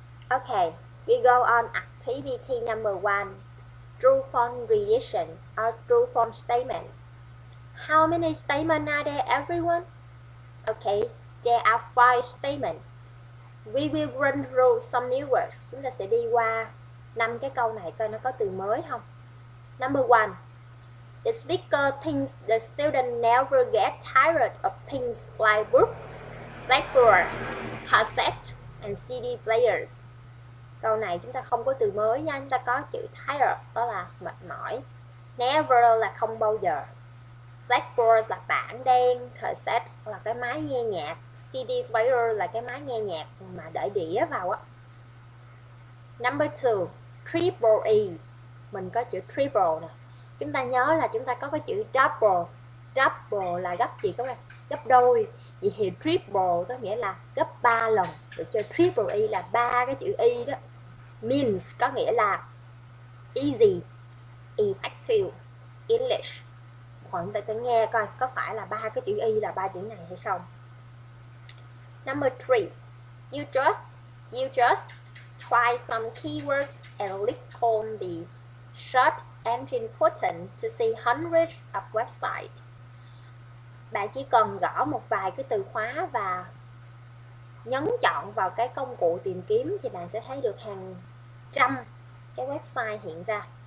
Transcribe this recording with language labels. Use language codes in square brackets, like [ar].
[en] Okay, we go on activity number one, true false relation or true false statement. How many statements are there, everyone? Okay, there are 5 statements. We will run through some new words. [vi] Chúng ta sẽ đi qua 5 cái câu này coi nó có từ mới không. [en] Number 1. The speaker thinks the student never get tired of things like books, blackboard, cassette and CD players. [vi] Câu này chúng ta không có từ mới nha, chúng ta có chữ tired, đó là mệt mỏi. Never là không bao giờ. Blackboard là bảng đen, cassette là cái máy nghe nhạc, CD player là cái máy nghe nhạc mà để đĩa vào á. [en] Number 2. Triple E. [vi] Mình có chữ triple nè. Chúng ta nhớ là chúng ta có cái chữ double. Double là gấp gì các bạn? Gấp đôi. Vậy thì triple có nghĩa là gấp 3 lần. Được chưa? Triple E là 3 cái chữ E đó. Means có nghĩa là easy, effective, English. Chúng ta sẽ nghe coi có phải là 3 cái chữ E là 3 chữ này hay không. [en] Number 3. You just try some keywords and click on the search engine button to see hundreds of websites. [vi] Bạn chỉ cần gõ một vài cái từ khóa và nhấn chọn vào cái công cụ tìm kiếm thì bạn sẽ thấy được hàng trăm cái website hiện ra.